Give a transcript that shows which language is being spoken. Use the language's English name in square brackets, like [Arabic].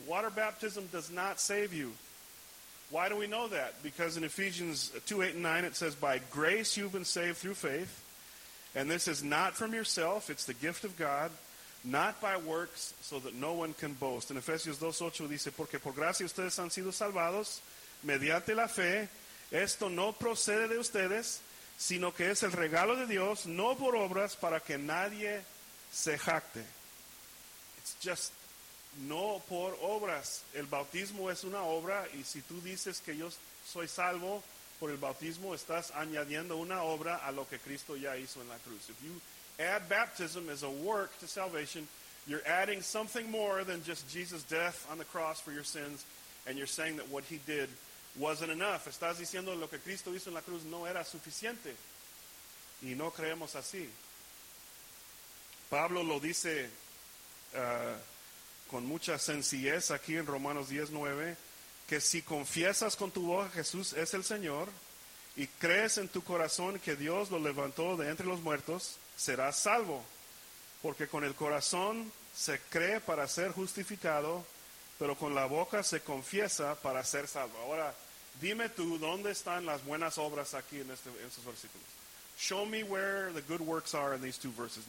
[English] Water baptism does not save you. Why do we know that? Because in Ephesians 2:8-9, it says, by grace you've been saved through faith. And this is not from yourself. It's the gift of God. Not by works, so that no one can boast. [Spanish] In Ephesians 2:8, dice, porque por gracia ustedes han sido salvados, mediante la fe. Esto no procede de ustedes, sino que es el regalo de Dios, no por obras, para que nadie se jacte. [English] It's just [Spanish] no por obras. El bautismo es una obra, y si tú dices que yo soy salvo por el bautismo, estás añadiendo una obra a lo que Cristo ya hizo en la cruz. [English] If you add baptism as a work to salvation, you're adding something more than just Jesus' death on the cross for your sins, and you're saying that what He did wasn't enough. [Spanish] Estás diciendo lo que Cristo hizo en la cruz no era suficiente. Y no creemos así. Pablo lo dice con mucha sencillez aquí en Romanos 10:9, que si confiesas con tu boca Jesús es el Señor y crees en tu corazón que Dios lo levantó de entre los muertos, serás salvo. Porque con el corazón se cree para ser justificado, pero con la boca se confiesa para ser salvo. Ahora, dime tú, ¿dónde están las buenas obras aquí en estos versículos? [English] Show me where the good works are in these two verses.